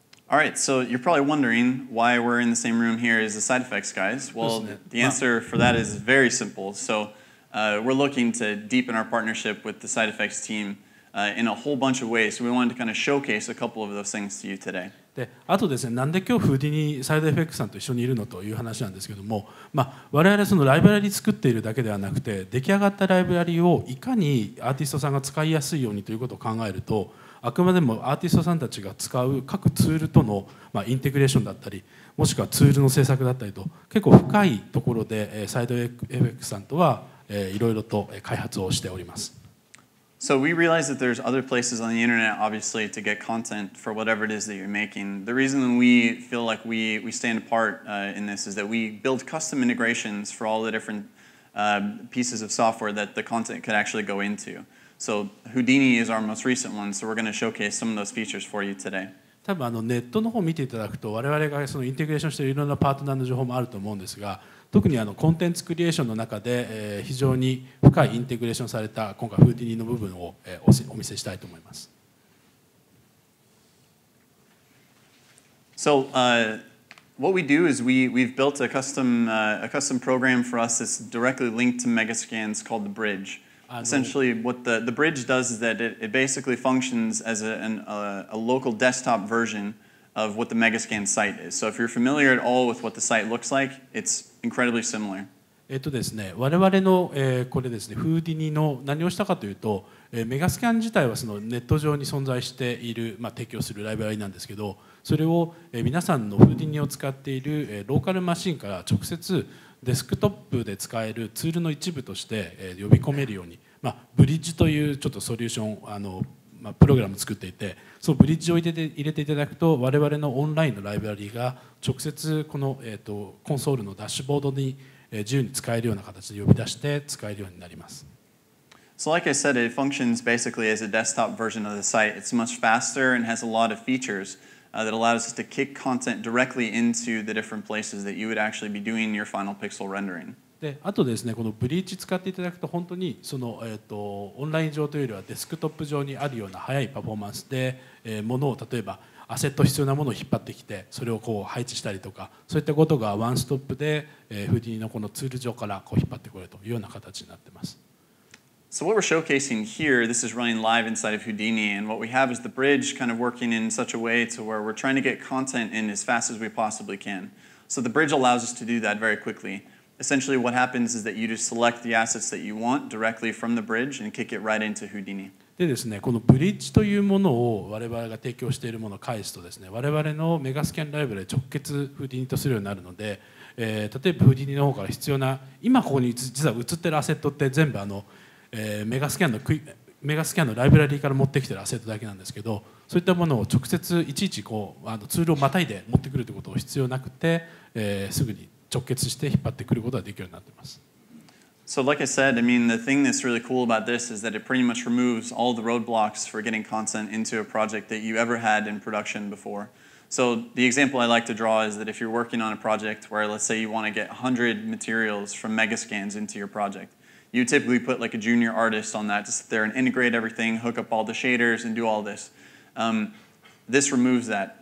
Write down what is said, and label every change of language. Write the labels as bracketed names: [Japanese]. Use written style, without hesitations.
[English] All right, so you're probably wondering why we're in the same room here as the SideFX guys. Well, the answer for that is very simple. So we're looking to deepen our partnership with the SideFX team in a whole bunch of ways. So we wanted to kind of showcase a couple of those things to you today. [Japanese] で、あとですね、なんで今日フーディニーサイドエフェクトさんと一緒にいるのという話なんですけども、まあ、我々そのライブラリ作っているだけではなくて、出来上がったライブラリをいかにアーティストさんが使いやすいようにということを考えると、あくまでもアーティストさんたちが使う各ツールとの、まあ、インテグレーションだったりもしくはツールの制作だったりと結構深いところでサイドエフェクトさんとはいろいろと開発をしております。 [English] So we realize that there's other places on the internet obviously to get content for whatever it is that you're making. The reason we feel like we stand apart in this is that we build custom integrations for all the different pieces of software that the content could actually go into. So Houdini is our most recent one, so we're going to showcase some of those features for you today. [Japanese] 多分あのネットの方を見ていただくと我々がそのインテグレーションしているいろんなパートナーの情報もあると思うんですが特にあのコンテンツクリエーションの中で非常に深いインテグレーションされた今回 Houdini の部分をお見せしたいと思います。 [English] So what we do is we've built a custom program for us that's directly linked to Megascans called the Bridge. Essentially, what the bridge does is that it basically functions as a local desktop version of what the Megascan site is. So if you're familiar at all with what the site looks like, it's incredibly similar. [Japanese] ですね、我々の、これですね、Houdiniの何をしたかというと、Megascan自体はそのネット上に存在している、まあ、提供するライブラリなんですけど、それを、皆さんのHoudiniを使っている、ローカルマシンから直接デスクトップで使えるツールの一部として呼び込めるように、まあ、ブリッジというちょっとソリューションあの、まあ、プログラムを作っていてそのブリッジを入れていただくと我々のオンラインのライブラリーが直接この、コンソールのダッシュボードに自由に使えるような形で呼び出して使えるようになります。 [English] So like I said, it functions basically as a desktop version of the site. It's much faster and has a lot of featuresthat allows us to kick content directly into the different places that you would actually be doing your final pixel rendering. [Japanese] で、あとですね、このブリッジ使っていただくと本当にその、オンライン上というよりはデスクトップ上にあるような早いパフォーマンスで、ものを例えばアセット必要なものを引っ張ってきてそれをこう配置したりとかそういったことがワンストップで、Houdini のこのツール上からこう引っ張ってくれるというような形になっています。 [English] So what we're showcasing here, this is running live inside of Houdini, and what we have is the bridge kind of working in such a way to where we're trying to get content in as fast as we possibly can. So the bridge allows us to do that very quickly. Essentially what happens is that you just select the assets that you want directly from the bridge and kick it right into Houdini. [Japanese] でですね、このブリッジというものを我々が提供しているものを返すとですね、我々のメガスキャンライブラリ直結Houdiniとするようになるので、例えばHoudiniの方から必要な、今ここに実は映ってるアセットって全部あのメガスキャンのライブラリーから持ってきてるアセットだけなんですけどそういったものを直接いちいちこうあのツールをまたいで持ってくるということを必要なくて、すぐに直結して引っ張ってくることができるようになっています。 [English] So like I said, I mean the thing that's really cool about this is that it pretty much removes all the roadblocks for getting content into a project that you ever had in production before. So the example I like to draw is that if you're working on a project where let's say you want to get 100 materials from Megascans into your project,You typically put like a junior artist on that to sit there and integrate everything, hook up all the shaders and do all this. This removes that.